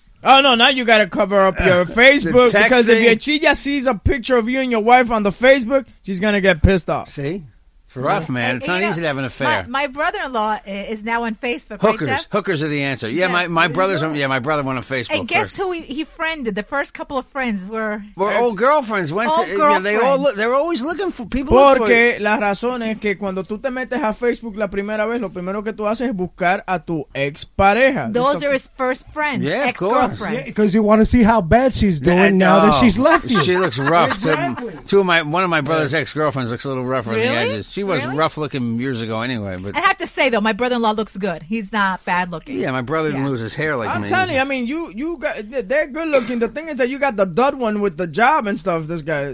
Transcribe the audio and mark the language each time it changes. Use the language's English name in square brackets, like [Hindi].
[English] Oh, no, now you got to cover up your Facebook. Because if your chia sees a picture of you and your wife on the Facebook, she's going to get pissed off. See? It's rough, man. And, it's not easy to have an affair. My brother-in-law is now on Facebook. Hookers. Right, hookers are the answer. Yeah, my brother went on Facebook. And guess first. Who he friended? The first couple of friends were... Old girlfriends. Yeah, they're always looking for people. [Spanish] Porque [English] for [Spanish] la razón es que cuando tú te metes a Facebook la primera vez, lo primero que tú haces es buscar a tu ex-pareja. [English] Those are his first friends. Yeah, ex-girlfriends. Because you want to see how bad she's doing now that she's left you. She looks rough. One of my brother's ex-girlfriends looks a little rougher really? On the edges. She was rough looking years ago anyway. But I have to say, though, my brother-in-law looks good. He's not bad looking. Yeah, my brother didn't lose his hair like I'm me. I'm telling you, I mean, you got, they're good looking. The thing is that you got the dud one with the job and stuff, this guy.